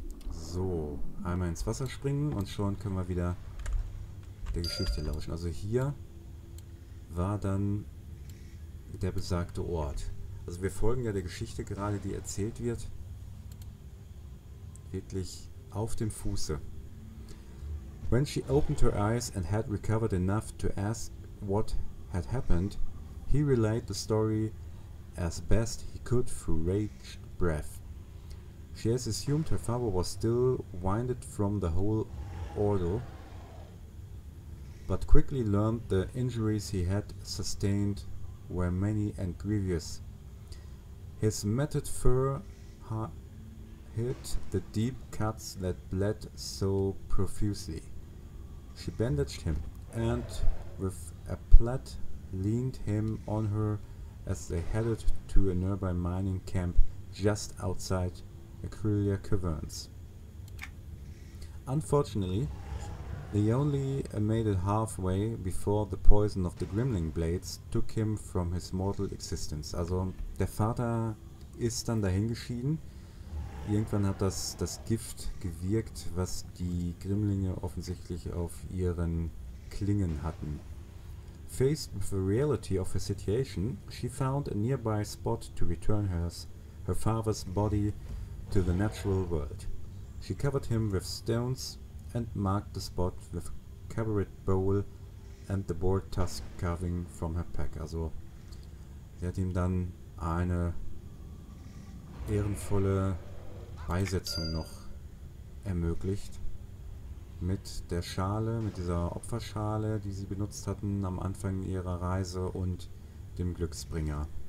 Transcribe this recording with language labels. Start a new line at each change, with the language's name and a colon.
German: So, einmal ins Wasser springen und schon können wir wieder der Geschichte lauschen. Also hier war dann der besagte Ort. Also wir folgen ja der Geschichte gerade, die erzählt wird, wirklich auf dem Fuße.
English: When she opened her eyes and had recovered enough to ask what had happened, he relayed the story as best he could through raged breath. She has assumed her father was still winded from the whole ordeal, but quickly learned the injuries he had sustained were many and grievous. His matted fur hid the deep cuts that bled so profusely. She bandaged him, and with a plaid leaned him on her as they headed to a nearby mining camp just outside Aquilia Caverns. Unfortunately, they only made it halfway before the poison of the gremlin blades took him from his mortal existence.
German: Also, der Vater ist dann dahingeschieden. Irgendwann hat das Gift gewirkt, was die Grimmlinge offensichtlich auf ihren Klingen hatten.
English: Faced with the reality of her situation, she found a nearby spot to return her father's body to the natural world. She covered him with stones and marked the spot with covered bowl and the boar tusk carving from her pack.
German: Also, sie hat ihm dann eine ehrenvolle Beisetzung noch ermöglicht. Mit der Schale, mit dieser Opferschale, die sie benutzt hatten am Anfang ihrer Reise und dem Glücksbringer.